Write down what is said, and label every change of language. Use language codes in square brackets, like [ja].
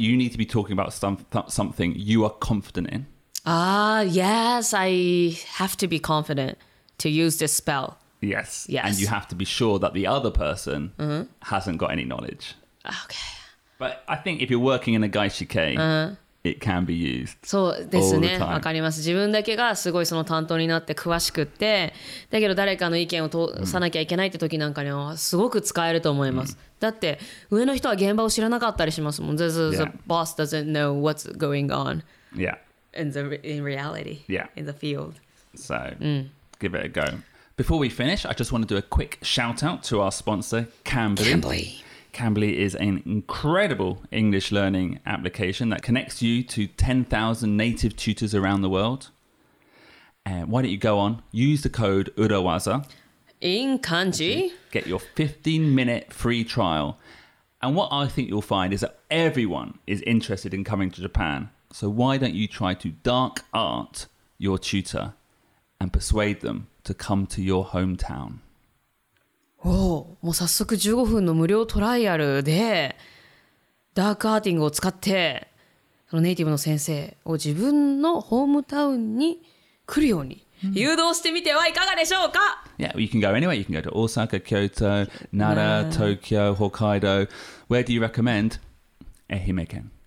[en] you need to be talking about something you are confident in. Yes, I have to be confident to use this spell. Yes. Yes. And you have to be sure that the other person mm-hmm. hasn't got any knowledge. Okay. But I think if you're working in a gaishike, mm-hmm. it can be used. [ja] So, ですね。わかります。自分だけがすごいその担当になって詳しくって、だけど誰かの意見を通さなきゃいけないって時なんかにはすごく使えると思います。 Mm-hmm. だって上の人は現場を知らなかったりしますもん。 [en] This is yeah. The boss doesn't know what's going on. Yeah. In reality, yeah. In the field. So, mm. give it a go. Before we finish, I just want to do a quick shout out to our sponsor, Cambly. Cambly. Cambly is an incredible English learning application that connects you to 10,000 native tutors around the world. Why don't you go on, use the code URAWAZA. In kanji. Get your 15-minute free trial. And what I think you'll find is that everyone is interested in coming to Japan. So why don't you try to dark art your tutor and persuade them to come to your hometown? [ja] Oh, もう早速15分の無料トライアルでダークアーティングを使ってそのネイティブの先生を自分のホームタウンに来るように誘導してみてはいかがでしょうか? [en] Yeah, you can go anywhere. You can go to Osaka, Kyoto, Nara, Tokyo, Hokkaido. Where do you recommend? Ehime Ken.